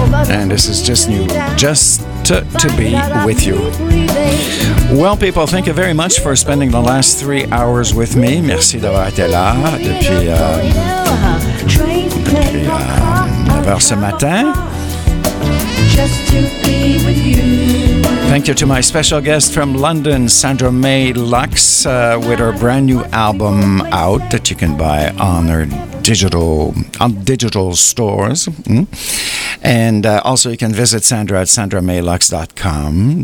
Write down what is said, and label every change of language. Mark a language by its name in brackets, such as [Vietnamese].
[English] And this is just new, just to be with you. Well, people, thank you very much for spending the last 3 hours with me. [French] Merci d'avoir été là depuis 9h ce matin. [English] Thank you to my special guest from London, Sandra Mae Lux, with her brand new album out that you can buy on her digital stores. And also you can visit Sandra at sandramaelux.com.